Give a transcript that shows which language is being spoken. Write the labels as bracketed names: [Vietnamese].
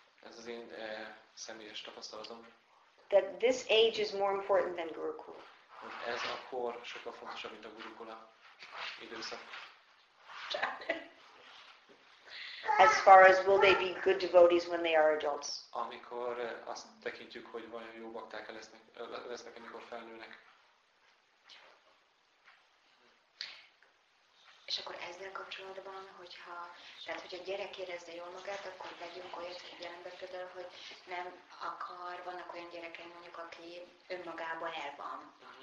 [Hungarian] Ez az én személyes tapasztalatom. [English] That this age is more important than Gurukula. [Hungarian] Ez a kor sokkal fontosabb, mint a Gurukula időszak. [English] As far as will they be good devotees when they are adults? [Hungarian] Amikor azt tekintjük, hogy vajon jó bakták lesznek, amikor felnőnek. És akkor ezzel kapcsolatban, hogyha a gyerek érezze jól magát, akkor vegyünk olyat figyelembe például, hogy nem akar, vannak olyan gyerekeim mondjuk, aki önmagában el van.